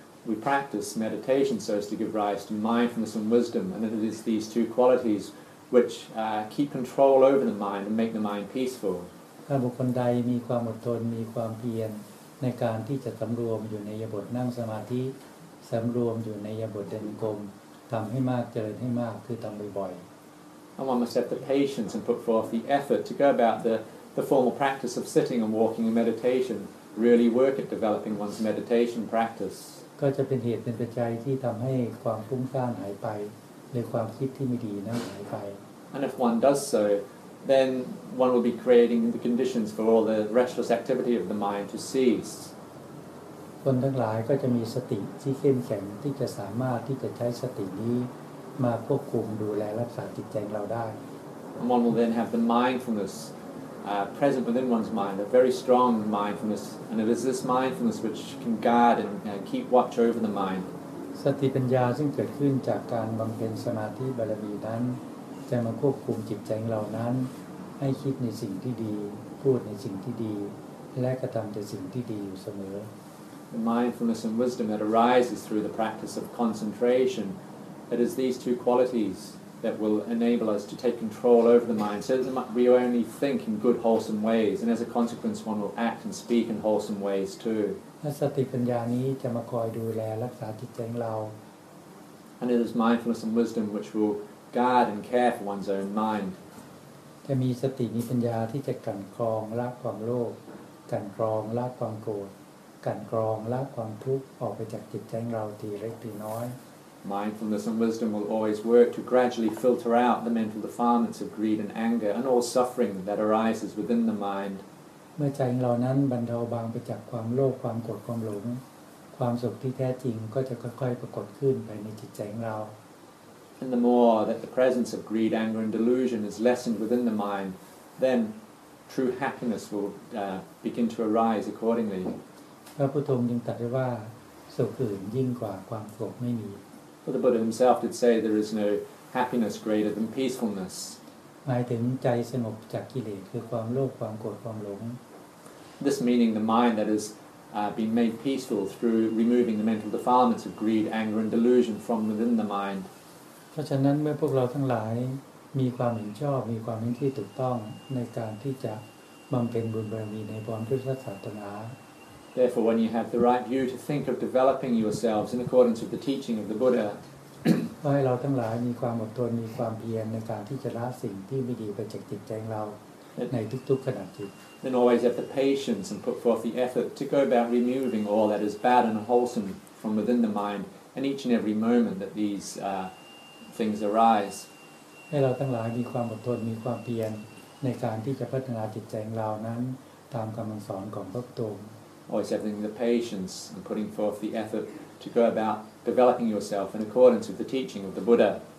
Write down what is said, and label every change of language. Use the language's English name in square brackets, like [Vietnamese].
[English] We practice meditation so as to give rise to mindfulness and wisdom and it is these two qualities which keep control over the mind and make the mind peaceful [Thai] ถ้าบุคคลใดมีความอดทนมีความเพียรในการที่จะสำรวมอยู่ในยบทนั่งสมาธิสำรวมอยู่ในยบทเดินกรมทำให้มากเจริญให้มากคือทำบ่อยๆ [English] And one must have the patience and put forth the effort to go about the formal practice of sitting and walking in meditation, really work at developing one's meditation practice. [Thai] ก็จะเป็นเหตุเป็นปัจจัยที่ทำให้ความฟุ้งซ่านหายไปหรือความคิดที่ไม่ดีนั้นหายไป [English] And if one does so, then one will be creating the conditions for all the restless activity of the mind to cease. [Thai] คนทั้งหลายก็จะมีสติที่เข้มแข็งที่จะสามารถที่จะใช้สตินี้มาควบคุมดูแลรักษาจิตใจเราได้ [English] One will then have the mindfulness present within one's mind, a very strong mindfulness, and it is this mindfulness which can guard and keep watch over the mind. [Thai] สติปัญญาซึ่งเกิดขึ้นจากการบำเพ็ญสมาธิบารมีนั้นจะมาควบคุมจิตใจเรานั้นให้คิดในสิ่งที่ดีพูดในสิ่งที่ดีและกระทำในสิ่งที่ดีอยู่เสมอ [English] The mindfulness and wisdom that arises through the practice of concentrationIt is these two qualities that will enable us to take control over the mind, so that we only think in good, wholesome ways, and as a consequence, one will act and speak in wholesome ways too. [Thai] สติปัญญานี้จะมาคอยดูแลรักษาจิตใจเรา [English] And it is mindfulness and wisdom which will guard and care for one's own mind. [Thai] จะมีสติมีปัญญาที่จะกันกรองละความโลภกันกรองละความโกรธกันกรองละความทุกข์ออกไปจากจิตใจเราทีเล็กทีน้อย [English] Mindfulness and wisdom will always work to gradually filter out the mental defilements of greed and anger and all suffering that arises within the mind. [Thai] เมื่อใจของเรานั้นบรรเทาบางไปจากความโลภความโกรธความหลงความสุขที่แท้จริงก็จะค่อยๆปรากฏขึ้นไปในจิตใจของเรา [English] And the more that the presence of greed, anger and delusion is lessened within the mind, then true happiness will begin to arise accordingly. [Thai] พระพุทธองค์ยังตรัสว่าสุขอื่นยิ่งกว่าความโกรธไม่มี [English] But the Buddha himself did say there is no happiness greater than peacefulness. [Thai] หมายถึงใจสงบจากกิเลสคือความโลภความโกรธความหลง [English] This meaning the mind that has been made peaceful through removing the mental defilements of greed, anger, and delusion from within the mind. [Thai] เพราะฉะนั้นเมื่อพวกเราทั้งหลายมีความเห็นชอบมีความเห็นที่ถูกต้องในการที่จะบำเพ็ญบุญบารมีในพระพุทธศาสนา [English] Therefore, when you have the right view to think of developing yourselves in accordance with the teaching of the Buddha, [Thai] ให้เราทั้งหลายมีความอดทนมีความเพียรในการที่จะละสิ่งที่ไม่ดีไปจากจิตใจเราในทุกๆขณะจิต [English] Then always have the patience and put forth the effort to go about removing all that is bad and unwholesome from within the mind and each and every moment that these things arise. [Thai] ให้เราทั้งหลายมีความอดทนมีความเพียรในการที่จะพัฒนาจิตใจเรานั้นตามคำสอนของพระพุทธองค์ [English] Always having the patience and putting forth the effort to go about developing yourself in accordance with the teaching of the Buddha.